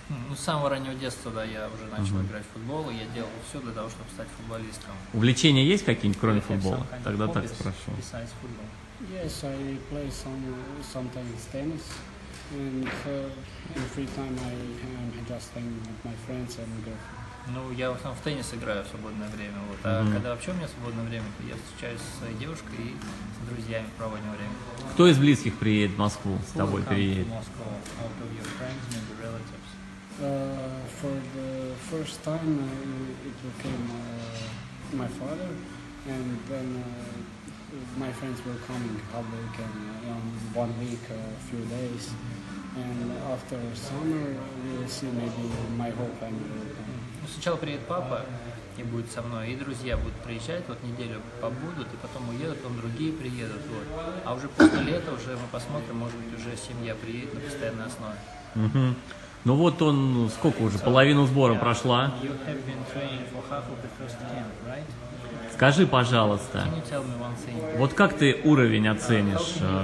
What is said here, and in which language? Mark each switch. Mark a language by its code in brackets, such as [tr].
[ru] Ну, с самого раннего детства, да, я уже начал играть в футбол, и я делал все для того, чтобы стать футболистом. Увлечения есть какие-нибудь, кроме футбола? Тогда так спрошу. [en] Yes, I play sometimes tennis, and in free time I'm just hanging with my friends and girlfriend. [ru] Ну, я в основном в теннис играю в свободное время, вот. А когда вообще у меня свободное время, то я встречаюсь со своей девушкой и с друзьями проводим время. Кто из близких приедет в Москву, с тобой приедет? [en] Out of your friends, maybe relatives. For the first time it became my father, and then my friends were coming half week and one week, a few days. And after summer we'll see maybe my whole family will come. [ru] Ну, сначала приедет папа и будет со мной, и друзья будут приезжать, вот неделю побудут, и потом уедут, потом другие приедут, вот. А уже после лета уже мы посмотрим, может быть, уже семья приедет на постоянной основе. Угу. Ну вот он, сколько уже, половину сбора прошла. [en] You have been training for half of the first camp, right? [ru] Скажи, пожалуйста, вот как ты уровень оценишь?